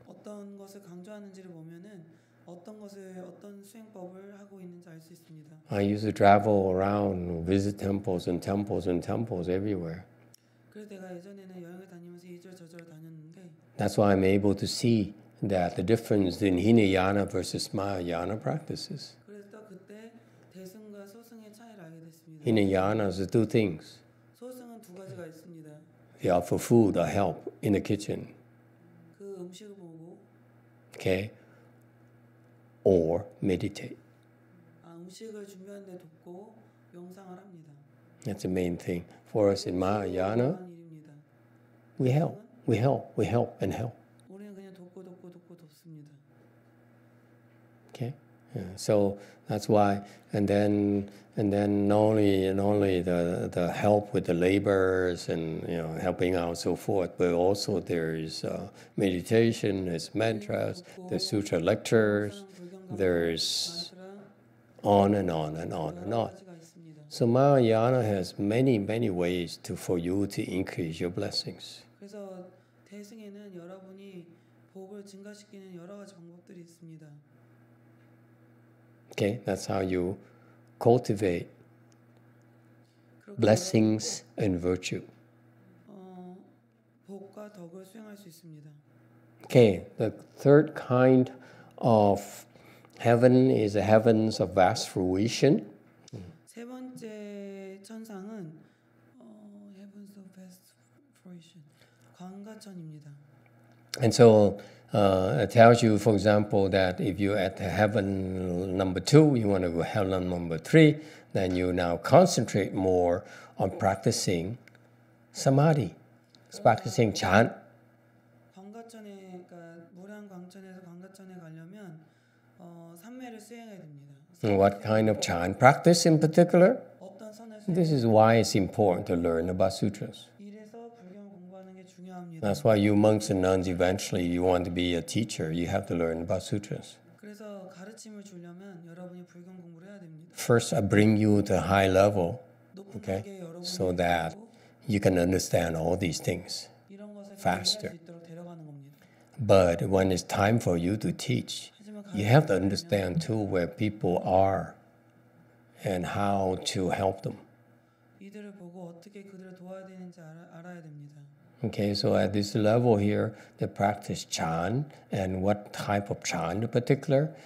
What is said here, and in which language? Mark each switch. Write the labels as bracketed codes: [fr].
[ko] 어떤 것을 강조하는지를 보면은 어떤 것을 어떤 수행법을 하고 있는지 알 수 있습니다. [en] I used to travel around, visit temples and temples and temples everywhere. [ko] 그래서 제가 예전에는 여행을 다니면서 이절 저절 다녔는데. [en] That's why I'm able to see that the difference in Hinayana versus Mahayana practices. [ko] 그래서 그때 대승과 소승의 차이를 알게 됐습니다. [en] Hinayana is two things. [ko] 소승은 두 가지가 있습니다. [en] They offer food or help in the kitchen. [ko] 그 음식을 보고. [en] Okay. Or meditate. [ko] 아, 음식을 준비하는 데 돕고 명상을 합니다. [en] That's the main thing. For us in Mahayana, we help, we help, we help and help. [ko] 우리는 그냥 돕고 돕고 돕고 돕습니다. [en] Okay, yeah. So that's why, and then not only the help with the labors and you know helping out so forth, but also there is meditation, there's mantras, the sutra lectures, there's on and on and on and on. So Mahayana has many, many ways to for you to increase your blessings. [ko] 그래서 대승에는 여러분이 복을 증가시키는 여러 가지 방법들이 있습니다. [en] Okay, that's how you cultivate blessings and virtue. [ko] 복과 덕을 수행할 수 있습니다. [en] Okay, the third kind of heaven is the heavens of vast fruition. [ko] 세 번째 천상은 [en] heavens of vast fruition, [ko] 광가천입니다. [en] And so it tells you, for example, that if you're at heaven number two, you want to go heaven number three, then you now concentrate more on practicing samadhi, practicing chan. [ko] 광가천에, 그러니까 무량 광천에서 광가천에 가려면 삼매를 수행해야 됩니다. [en] What kind of chan practice in particular? [ko] 어떤 선에서 [en] This is why it's important to learn about sutras. [ko] 이래서 불경 공부하는 게 중요합니다. [en] That's why you monks and nuns eventually you want to be a teacher. You have to learn about sutras. [ko] 그래서 가르침을 주려면 여러분이 불경 공부를 해야 됩니다. [en] First, I bring you to high level, okay, so that [ko] 듣고, [en] you can understand all these things [ko] 이런 것을 faster. 이해할 수 있도록 데려가는 겁니다. [en] But when it's time for you to teach. You have to understand too where people are and how to help them. [ko] 이들을 보고 어떻게 그들을 도와야 되는지 알아야 됩니다. [en] Okay, so at this level here, they practice chan and what type of chan in particular.